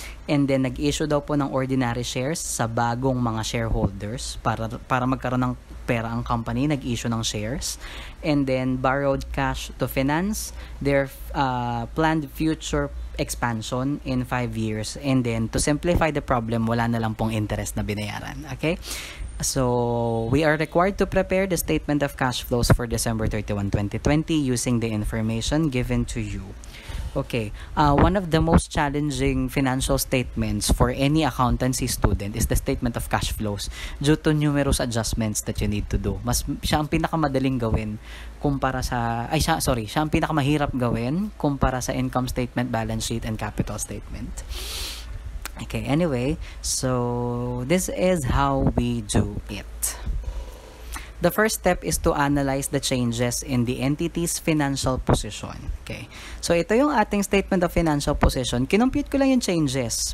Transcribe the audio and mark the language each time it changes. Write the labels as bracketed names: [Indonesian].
[Filipino] And then nag-issue daw po ng ordinary shares sa bagong mga shareholders para magkaroon ng pera ang company, nag-issue ng shares. [English] And then borrowed cash to finance their planned future expansion in 5 years. And then to simplify the problem, [Filipino] wala na lang pong interest na binayaran. Okay? [English] So, we are required to prepare the statement of cash flows for December 31, 2020 using the information given to you. Okay. One of the most challenging financial statements for any accountancy student is the statement of cash flows due to numerous adjustments that you need to do. [Filipino] Mas siya ang pinakamadaling gawin kumpara sa ay siya, sorry, siya ang pinakamahirap gawin kumpara sa income statement, balance sheet and capital statement. [English] Okay, anyway, so this is how we do it. The first step is to analyze the changes in the entity's financial position. [Filipino] Okay. So ito yung ating statement of financial position. Kinumpute ko lang yung changes.